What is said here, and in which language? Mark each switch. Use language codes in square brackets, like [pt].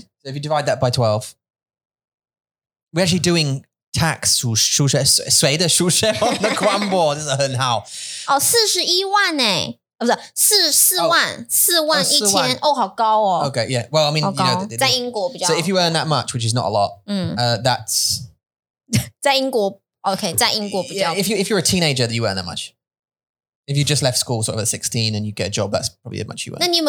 [en] So if you divide that by 12, we're actually doing tax [zh] 数学 [en] on the Quambo. This is [zh] 很好. [en] Oh, [zh] 41万诶. 不是,四万一千,哦,好高哦。 [en] Okay, yeah. Well, I mean, you know, [zh] 在英国比较。 [en] So if you earn that much, which is not a lot, that's... [zh] 在英国... [en] Okay, [zh] 在英国比较... [en] Yeah, if you're a teenager, you earn that much. If you just left school sort of at 16 and you get a job, that's probably how much you earn.